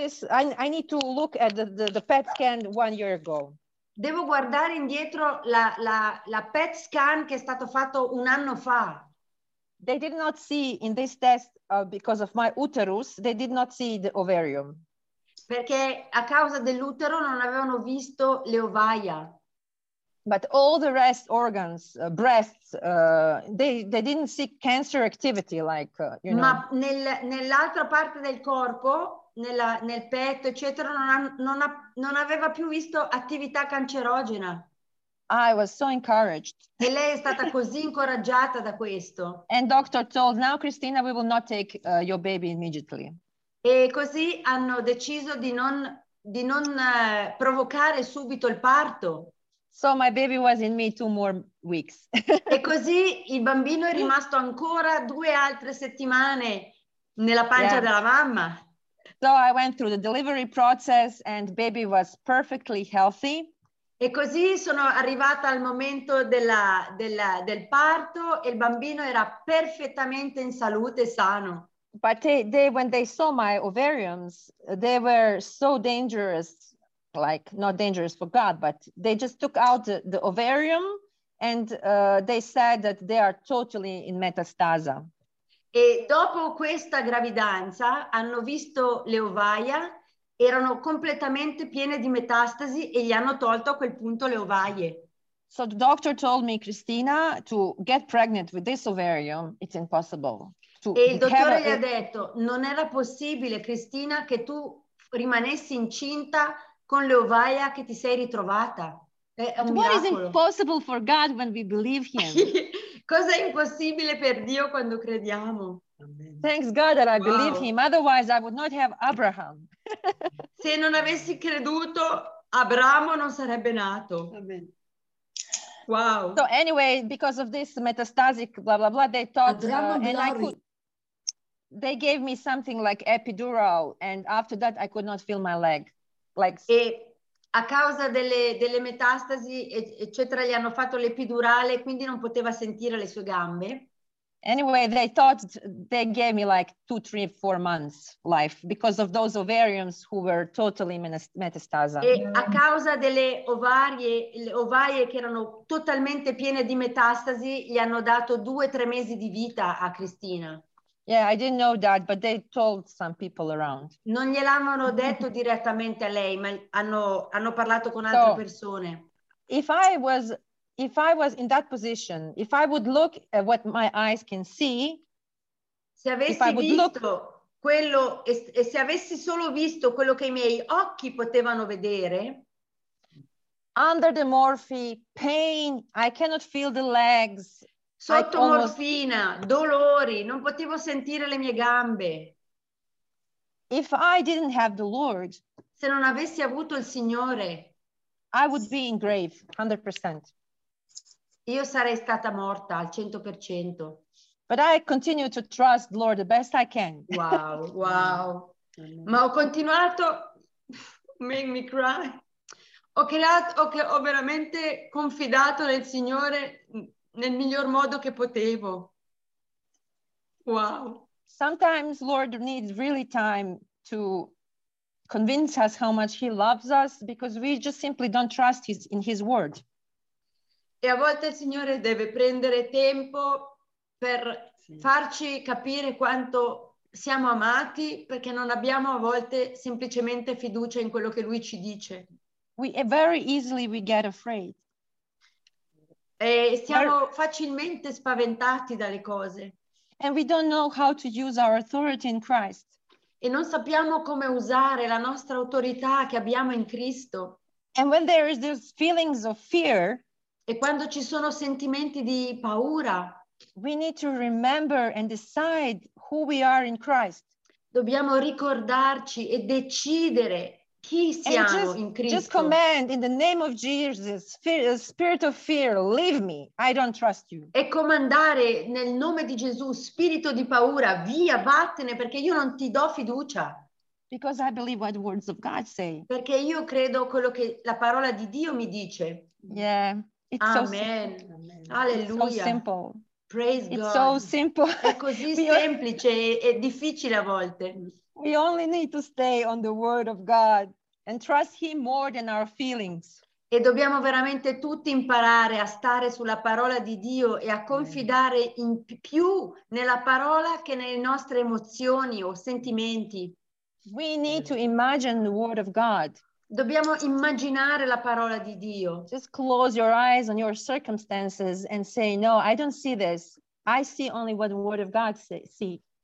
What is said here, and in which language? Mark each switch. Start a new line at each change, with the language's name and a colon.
English: I need to look at the PET scan 1 year ago.
Italian: Devo guardare indietro la PET scan che è stato fatto un anno fa.
English: They did not see in this test, because of my uterus, they did not see the ovarium.
Italian: Perché a causa dell'utero non avevano visto le ovaia.
English: But all the rest organs, breasts, they didn't see cancer activity, like, you know.
Italian: Ma nell'altra parte del corpo, nel petto, eccetera, non aveva più visto attività cancerogena.
English: I was so encouraged.
Italian: E lei è stata così incoraggiata da questo.
English: And doctor told, now Christina, we will not take your baby immediately.
Italian: E così hanno deciso di non provocare subito il parto.
English: So my baby was in me 2 more weeks.
Italian: E così il bambino è rimasto ancora 2 altre settimane nella pancia, yes, della mamma.
English: So I went through the delivery process and baby was perfectly healthy.
Italian: E così sono arrivata al momento del parto e il bambino era perfettamente in salute, sano.
English: But they when they saw my ovariums, they were so dangerous, like not dangerous for God, but they just took out the ovarium and they said that they are totally in metastasa.
Italian: E dopo questa gravidanza hanno visto le ovaia, erano completamente piene di metastasi e gli hanno tolto a quel punto le ovaie.
English: So the doctor told me, Christina, to get pregnant with this ovarium, it's impossible.
Italian: E il dottore gli ha detto, non era possibile, Cristina, che tu rimanessi incinta con le ovaia che ti sei ritrovata.
English: What is impossible for God when we believe him?
Italian: Cosa è impossibile per Dio quando crediamo?
English: Thanks God that I believe him, otherwise I would not have Abraham.
Italian: Se non avessi creduto, Abramo non sarebbe nato. Amen. Wow.
English: So anyway, because of this metastatic blah, blah, blah, they thought, they gave me something like epidural, and after that I could not feel my leg. Like,
Italian: e a causa delle metastasi, eccetera, gli hanno fatto l'epidurale, quindi non poteva sentire le sue gambe.
English: Anyway, they thought they gave me like 2, 3, 4 months life because of those ovariums who were totally metastasa.
Italian: E a causa delle ovaie che erano totalmente piene di metastasi, gli hanno dato 2, 3 mesi di vita a Cristina.
English: Yeah, I didn't know that, but they told some people around.
Italian: Non gliel'hanno detto direttamente a lei, ma hanno parlato con altre persone.
English: If I was in that position, if I would look at what my eyes can see,
Italian: se avessi se avessi solo visto quello che i miei occhi potevano vedere,
English: under the morphine, pain, I cannot feel the legs.
Italian: Sotto morfina, dolori, non potevo sentire le mie gambe.
English: If I didn't have the Lord,
Italian: se non avessi avuto il Signore,
English: I would be in grave 100%.
Italian: Io sarei stata morta al 100%.
English: But I continue to trust the Lord the best I can. Wow, wow.
Italian: Ma ho continuato,
English: make me cry.
Italian: Ho veramente confidato nel Signore nel miglior modo che potevo. Wow.
English: Sometimes Lord needs really time to convince us how much he loves us because we just simply don't trust in his word.
Italian: E a volte il Signore deve prendere tempo per farci capire quanto siamo amati perché non abbiamo a volte semplicemente fiducia in quello che lui ci dice.
English: Very easily we get afraid.
Italian: E siamo facilmente spaventati dalle cose.
English: And we don't know how to use our authority in Christ.
Italian: E non sappiamo come usare la nostra autorità che abbiamo in Cristo.
English: And when there is this feelings of fear,
Italian: e quando ci sono sentimenti di paura,
English: we need to remember and decide who we are in Christ.
Italian: Dobbiamo ricordarci e decidere chi siamo in Cristo.
English: Just command in the name of Jesus, spirit of fear, leave me. I don't trust you.
Italian: E comandare nel nome di Gesù, spirito di paura, via, vattene, perché io non ti do fiducia.
English: Because I believe what the words of God say.
Italian: Perché io credo quello che la parola di Dio mi dice.
English: Yeah. It's Amen. So simple. Alleluia. It's so simple. Praise it's God. So simple.
Italian: È così semplice e difficile a volte.
English: We only need to stay on the word of God and trust him more than our feelings.
Italian: E dobbiamo veramente tutti imparare a stare sulla parola di Dio e a confidare in più nella parola che nelle nostre emozioni o sentimenti.
English: We need to imagine the word of God.
Italian: Dobbiamo immaginare la parola di Dio.
English: Just close your eyes on your circumstances and say, no, I don't see this. I see only what the word of God says.